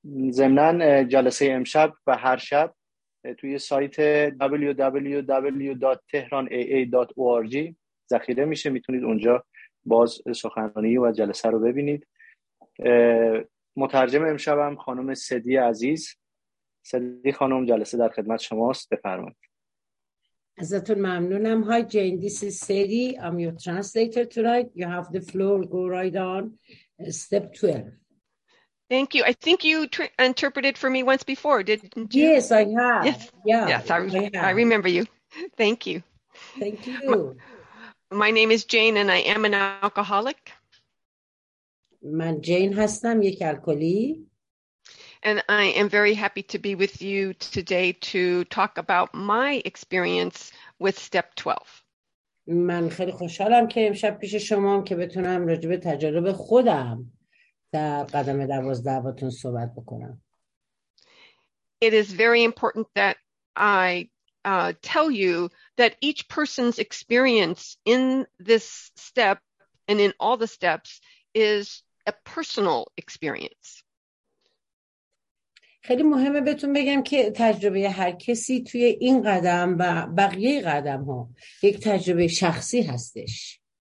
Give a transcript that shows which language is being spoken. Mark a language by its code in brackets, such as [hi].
[fa] ضمناً جلسه امشب و هر شب توی سایت www.tehranaa.org ذخیره میشه، میتونید اونجا باز سخنرانی و جلسه رو ببینید. مترجم امشب هم خانم سدی عزیز. سدی خانم، جلسه در خدمت شماست، بفرمایید. ازتون ممنونم. [en] Hi Jane, this is Sadie, I'm your translator tonight. You have the floor, go right on. Step 12. Thank you. I think you interpreted for me once before, didn't you? Yes, I have. Yes, yeah, yes, I remember you. Thank you. Thank you. My name is Jane and I am an alcoholic. [fa] من جین هستم، یک الکلی. [en] And I am very happy to be with you today to talk about my experience with step 12. [fa] من خیلی خوشحالم که امشب پیش شما هم که بتونم راجع به تجارب خودم در قدم 12 باهاتون صحبت بکنم. [en] It is very important that I tell you that each person's experience in this step and in all the steps is a personal experience. [fa] خیلی مهمه بهتون بگم که تجربه هر کسی توی این قدم و بقیه قدم ها یک تجربه شخصی هستش.